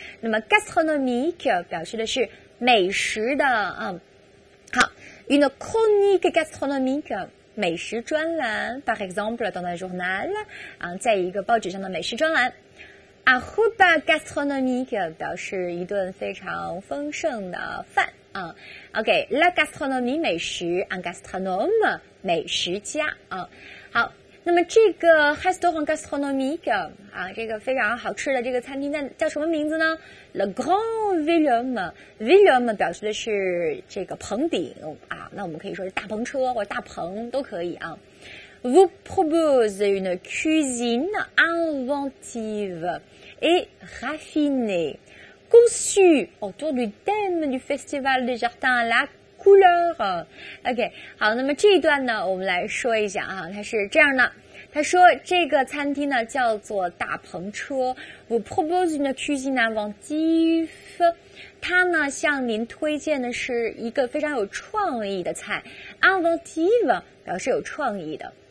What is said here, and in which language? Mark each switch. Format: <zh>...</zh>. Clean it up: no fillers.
<zh>那么 gastronomique 表示的是美食的啊。好 ，</zh> <fr>une chronique gastronomique。</fr> <zh>美食专栏 ，</zh> <fr>par exemple dans le journal，</fr> <zh>啊，在一个报纸上的美食专栏 ，</zh> <fr>un repas gastronomique</fr> <zh>表示一顿非常丰盛的饭啊。 OK，</zh> <fr>la gastronomie</fr> <zh>美食 ，</zh> <fr>un gastronome</fr> <zh>美食家啊。好，那么这个 restaurant gastronomique 啊，这个非常好吃的这个餐厅叫什么名字呢 ？Le Grand Willem 表示的是这个棚顶啊，那我们可以说是大篷车或者大棚都可以啊。</zh> <fr>Vous propose une cuisine inventive et raffinée, conçue autour du thème du festival des jardins à la couleur.</fr> <zh>OK， 好，那么这一段呢，我们来说一下啊，它是这样的。他说这个餐厅呢叫做大篷车</zh> <fr>Vous propose une cuisine inventive</fr> <zh>他呢向您推荐的是一个非常有创意的菜 Inventive 表示有创意的</zh>